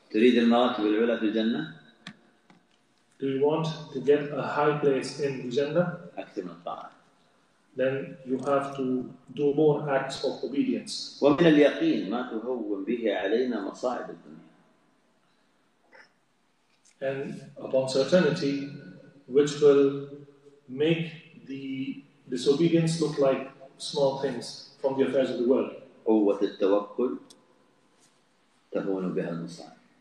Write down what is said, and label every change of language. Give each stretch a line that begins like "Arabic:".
Arabic: تريد المراتب العلى في الجنة؟
English: Do you want to get a high place in the Jannah?
Arabic: أكثر من طاعة.
English: Then you have to do more acts of obedience.
Arabic: ومن اليقين ما تهون به علينا مصاعب الدنيا.
English: And upon certainty, which will make the disobedience look like small things from the affairs of the world.
Arabic: قوة التوكل تهون بها المصاعب.